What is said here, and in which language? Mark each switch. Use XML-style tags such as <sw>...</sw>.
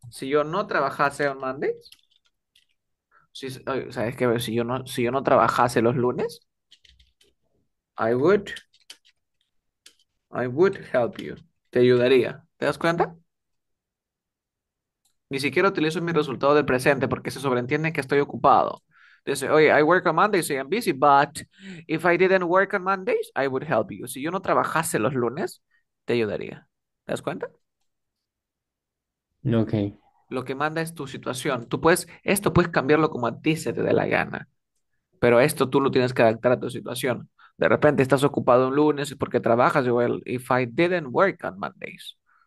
<es>Si yo no trabajase</es> <en>on Mondays.</en> <es>Si, ¿sabes qué? Si yo no trabajase los lunes.</es> <en>I would help you.</en> <es>Te ayudaría. ¿Te das cuenta? Ni siquiera utilizo mi resultado del presente porque se sobreentiende que estoy ocupado. Dice, oye,</es> <en>I work on Mondays, so I'm busy, but if I didn't work on Mondays, I would help you.</en> <es>Si yo no trabajase los lunes, te ayudaría. ¿Te das cuenta?</es> <en>Okay.</en> <es>Lo que manda es tu situación. Tú puedes, esto puedes cambiarlo como a ti se te dé la gana. Pero esto tú lo tienes que adaptar a tu situación. De repente estás ocupado un lunes porque trabajas,</es> <en>well, if I didn't work on Mondays.</en>